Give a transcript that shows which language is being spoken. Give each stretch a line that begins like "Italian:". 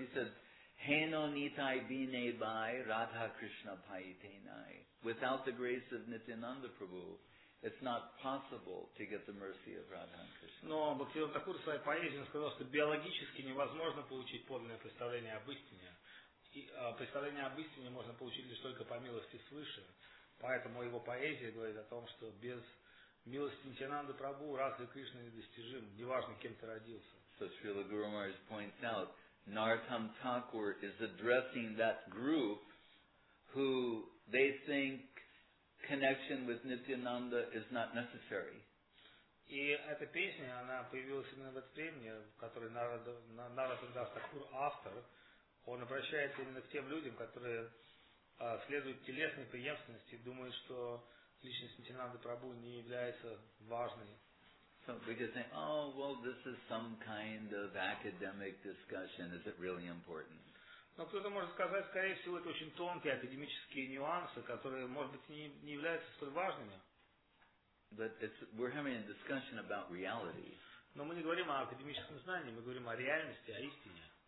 English: He says,
Bangla: Heno nitai bine bai Radha Krishna paite nai.
English: Without the grace of Nityananda Prabhu, it's not possible to get the mercy of Radha and Krishna.
Russian: Но Бхактивинода Тхакур в своей поэзии сказал, что биологически невозможно получить подлинное представление об истине. Представление об истине можно получить лишь только по милости свыше. Поэтому его поэзия говорит о том, что без милости Нитянанды Прабху Радха Кришна недостижим, неважно, кем ты родился.
English: So Srila Guru Maharaj points out, Narottam Thakur is addressing that group who they think connection with Nityananda is not necessary.
Russian: И эта песня, она появилась именно в это время, в которой Narottam Thakur автор, он обращается именно к тем людям, которые следуют телесной преемственности, думают, что личность Нитянанды Прабху не является важной.
English: So we could say, oh, well, this is some kind of academic discussion. Is it really important?
Russian: Но кто-то может сказать, скорее всего, это очень тонкие академические нюансы, которые, может быть, не являются столь важными.
English: But we're having a discussion about reality.
Russian: Но мы не говорим о академическом знании, мы говорим о реальности, о истине.